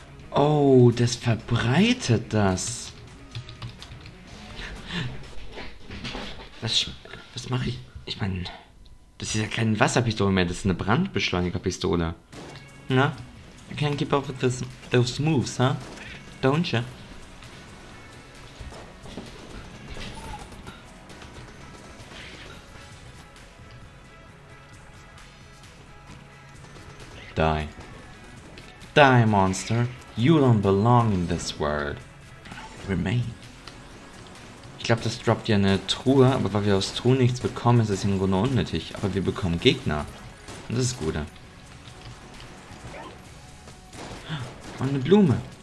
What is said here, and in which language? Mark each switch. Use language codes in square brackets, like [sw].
[de] Oh, das verbreitet das. Was mache ich? Ich meine... Das ist ja keine Wasserpistole mehr, das ist eine Brandbeschleunigerpistole. Na? [en] I can't keep up with this, those moves, huh? Don't you? Die. Die, Monster. You don't belong in this world. Remain. [de] Ich glaube, das droppt ja eine Truhe, aber weil wir aus Truhen nichts bekommen, ist es im Grunde unnötig. Aber wir bekommen Gegner. Und das ist gut. Und eine Blume.